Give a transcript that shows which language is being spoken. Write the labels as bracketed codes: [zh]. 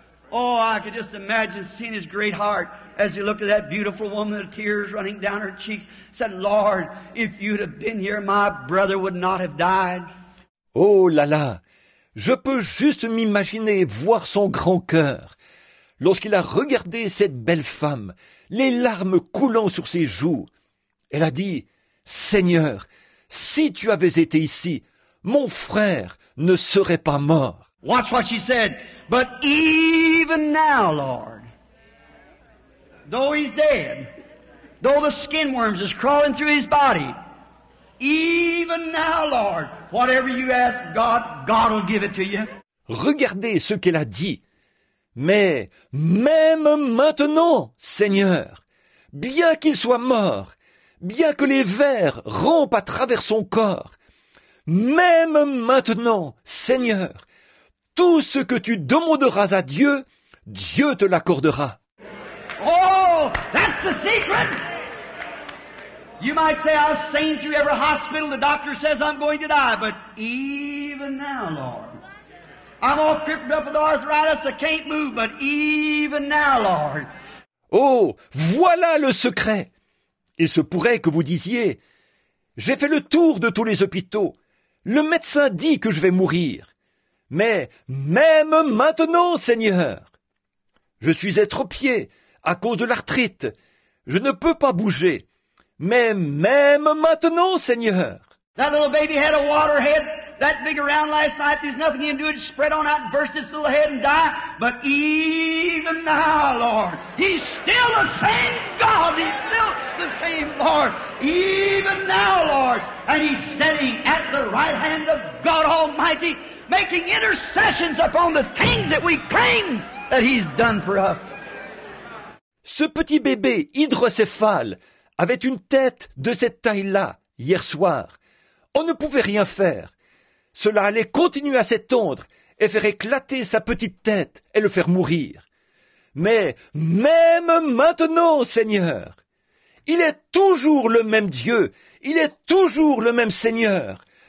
[en] Oh, I could just imagine seeing his great heart as he looked at that beautiful woman, the tears running down her cheeks, said, Lord, if you'd have been here, my brother would not have died. [fr] Oh là là, je peux juste m'imaginer voir son grand cœur lorsqu'il a regardé cette belle femme, les larmes coulant sur ses joues. Elle a dit, Seigneur, si tu avais été ici, mon frère ne serait pas mort. [en] Watch what she said. But even now, Lord, though he's dead, though the skin worms is crawling through his body, even now, Lord, whatever you ask God, God will give it to you. [fr] Regardez ce qu'elle a dit. Mais même maintenant, Seigneur, bien qu'il soit mort, bien que les vers rampent à travers son corps, même maintenant, Seigneur, tout ce que tu demanderas à Dieu, Dieu te l'accordera. [en] Oh, that's the secret. You might say I've seen through every hospital, the doctor says I'm going to die, but even now, Lord, I'm all crippled up with arthritis, I can't move, but even now, Lord. [fr] Oh, voilà le secret. Il se pourrait que vous disiez, j'ai fait le tour de tous les hôpitaux. Le médecin dit que je vais mourir, mais même maintenant, Seigneur, je suis estropié à cause de l'arthrite, je ne peux pas bouger, Mais même maintenant, Seigneur. [en] That little baby had a water head that big around last night. There's nothing he can do to spread on out and burst his little head and die. But even now, Lord, he's still the same God. He's still the same Lord. Even now, Lord. And he's sitting at the right hand of God Almighty, making intercessions upon the things that we claim that he's done for us. [fr] Ce petit bébé hydrocéphale avait une tête de cette taille-là hier soir. On ne pouvait rien faire. Cela allait continuer à s'étendre et faire éclater sa petite tête et le faire mourir. Mais même maintenant, Seigneur, il est toujours le même Dieu, il est toujours le même Seigneur.